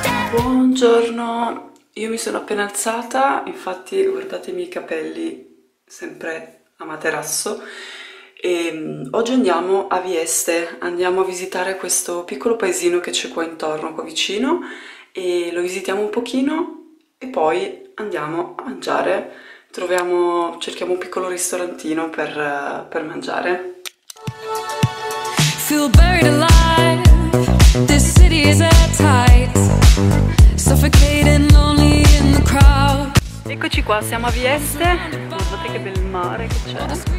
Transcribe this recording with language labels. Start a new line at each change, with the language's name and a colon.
Italian: Buongiorno, io mi sono appena alzata, infatti guardate i miei capelli, sempre a materasso, e oggi andiamo a Vieste, andiamo a visitare questo piccolo paesino che c'è qua intorno, qua vicino, e lo visitiamo un pochino e poi andiamo a mangiare, cerchiamo un piccolo ristorantino per mangiare.
English: Feel buried alive, this city is airtight. Suffocating, lonely in the crowd.
Italian: Eccoci qua, siamo a Vieste. Guardate che bel mare che c'è.